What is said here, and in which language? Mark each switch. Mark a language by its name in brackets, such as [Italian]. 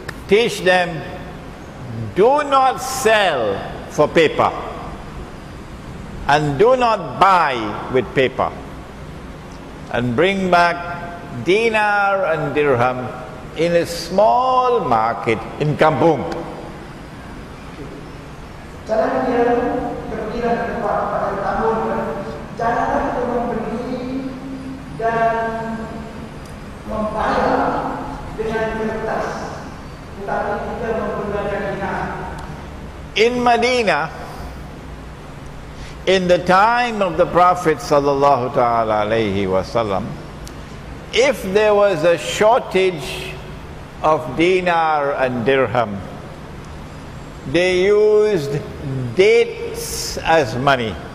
[English] teach them, do not sell for paper, and do not buy with paper, and bring back dinar and dirham in a small market in kampung. [Malay] Jangan dia pergi dan tempat pada tamu. Janganlah kita membeli dan membayar dengan kertas. [English] in Medina, in the time of the Prophet sallallahu ta'ala alayhi wa sallam, if there was a shortage of dinar and dirham, they used dates as money.